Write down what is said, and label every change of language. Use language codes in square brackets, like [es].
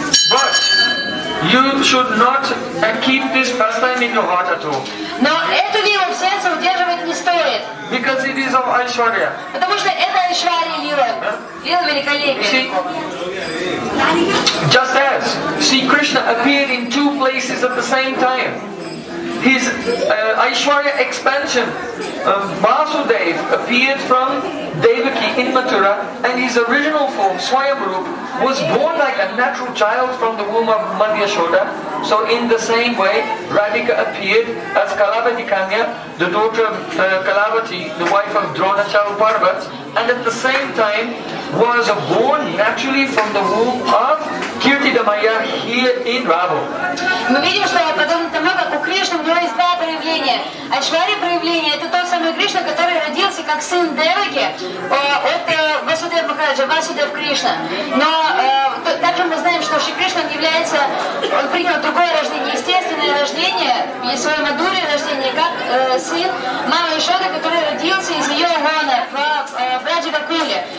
[en] But you should not keep this pastime in your heart at all. [ru] Но эту лилу в сердце удерживать не стоит. [en] Because it is of Aishwarya. [ru] Потому что это Aishwarya лила. Лила великолепия. [en] Just as Sri Krishna appeared in two places at the same time. His Aishwarya expansion, Vasudev, appeared from Devaki in Mathura, and his original form, Swayamrup, was born like a natural child from the womb of Madhya Shoda. So in the same way, Radhika appeared as Kalavati Kanya, the daughter of Kalavati, the wife of Dronacharya Parvat, and at the same time was born naturally from the womb of Kirtidamaya here in Ravo. [ru] Мы видим, что подобно тому, как у Кришны у него есть два проявления. Айшварья проявление — это тот самый Кришна, который родился как сын Деваки от Васудев Махараджа, Васудев Кришна. Но также мы знаем, что Шри Кришна является, он принял другое рождение, естественное рождение, и свое Мадхурия рождение, как сын Мамы Ишоды, который родился из ее лона в Раджа-Гакуле.